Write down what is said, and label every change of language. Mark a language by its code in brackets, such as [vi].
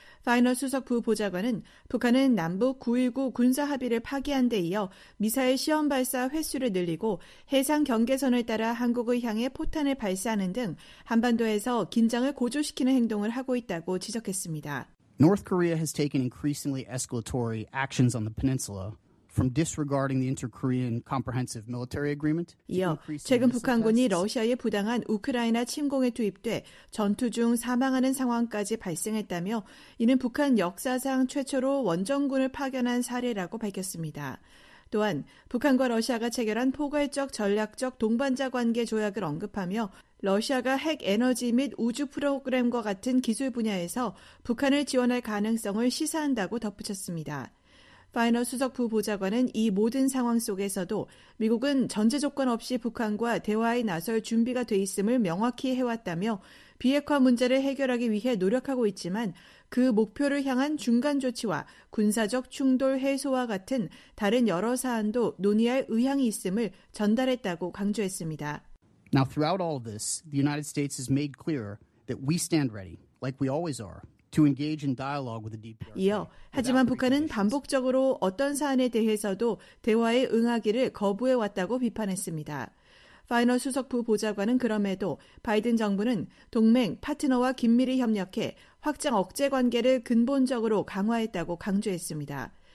[ko] 파이너 수석부 보좌관은 북한은 남북 9.19 군사 합의를 파기한 데 이어 미사일 시험 발사 횟수를 늘리고 해상 경계선을 따라 한국을 향해 포탄을 발사하는 등 한반도에서 긴장을 고조시키는 행동을 하고 있다고 지적했습니다. [en] North Korea has taken increasingly escalatory actions on the peninsula. From disregarding the inter-Korean comprehensive military agreement. [ko] 이어 최근 북한군이 러시아의 부당한 우크라이나 침공에 투입돼 전투 중 사망하는 상황까지 발생했다며 이는 북한 역사상 최초로 원정군을 파견한 사례라고 밝혔습니다. 또한 북한과 러시아가 체결한 포괄적 전략적 동반자 관계 조약을 언급하며 러시아가 핵 에너지 및 우주 프로그램과 같은 기술 분야에서 북한을 지원할 가능성을 시사한다고 덧붙였습니다. 파이너 수석부 보좌관은 이 모든 상황 속에서도 미국은 전제 조건 없이 북한과 대화에 나설 준비가 돼 있음을 명확히 해왔다며 비핵화 문제를 해결하기 위해 노력하고 있지만 그 목표를 향한 중간 조치와 군사적 충돌 해소와 같은 다른 여러 사안도 논의할 의향이 있음을 전달했다고 강조했습니다. [en] Now throughout all of this, the United States has made clear that we stand ready, like we always are. To engage in dialogue with the DPRK. [ko] 이어 하지만 북한은 반복적으로 어떤 사안에 대해서도 대화에 응하기를 거부해왔다고 비판했습니다. 파이널 수석 부보좌관은 그럼에도 바이든 정부는 동맹, 파트너와 긴밀히 협력해 확장 억제 관계를 근본적으로 강화했다고 강조했습니다.